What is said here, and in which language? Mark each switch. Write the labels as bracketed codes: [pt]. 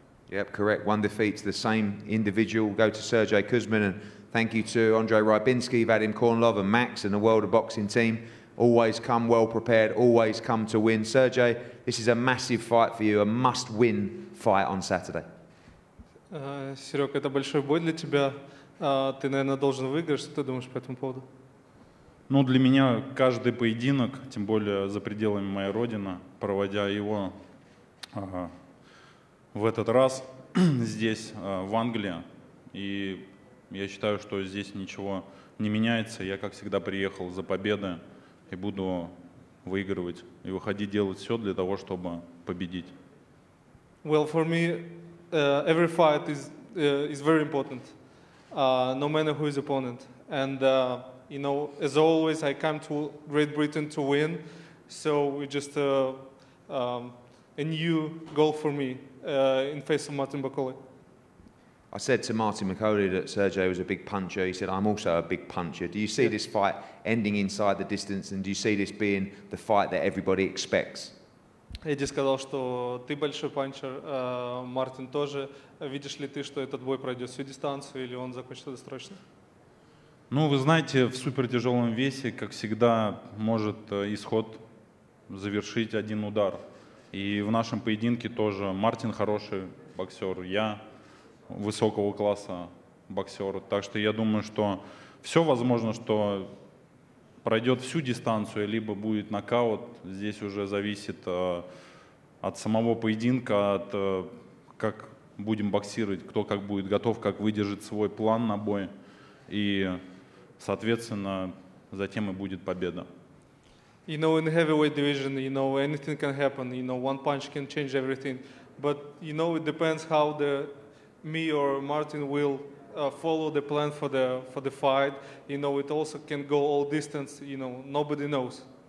[en] Yep, correct. One defeat to the same individual. Go to Sergei Kuzmin, and thank you to Andrei Rybinski, Vadim Kornilov, and Max, and the World of Boxing team. Always come well prepared, always come to win. Sergei, this is a massive fight for you, a must-win fight on Saturday. [ru] Серег, это большой бой для тебя. Ты, наверное, должен выиграть. Что ты думаешь по этому поводу? Ну, для меня каждый поединок, тем более за пределами моей родины, проводя его в этот раз здесь, в Англии. И я считаю, что здесь ничего не меняется. Я, как всегда, приехал за победы и буду выигрывать и выходить делать все для того, чтобы победить. [en] Well, for me, every fight is very important, no matter who is opponent. And you know, as always, I come to Great Britain to win, so it's just a new goal for me in face of Martin Bacoli. I said to Martin McCauley that Sergio was a big puncher. He said, I'm also a big puncher. Do you see this fight ending inside the distance, and do you see this being the fight that everybody expects? [ru] Эдди сказал, что ты большой панчер, Мартин тоже. Видишь ли ты, что этот бой пройдет всю дистанцию, или он закончится досрочно? Ну, вы знаете, в супертяжелом весе, как всегда, может исход завершить один удар. И в нашем поединке тоже Мартин хороший боксер, я высокого класса боксер. Так что я думаю, что все возможно, что пройдет всю дистанцию, либо будет нокаут. Здесь уже зависит от самого поединка, от как будем боксировать, кто как будет готов, как выдержит свой план на бой. И, соответственно, затем и будет победа. [en] You know, in the heavyweight division, you know, anything can happen. You know, one punch can change everything. But, you know, it depends how the me or Martin will follow the plan for the fight. You know, it also can go all distance. You know, nobody knows.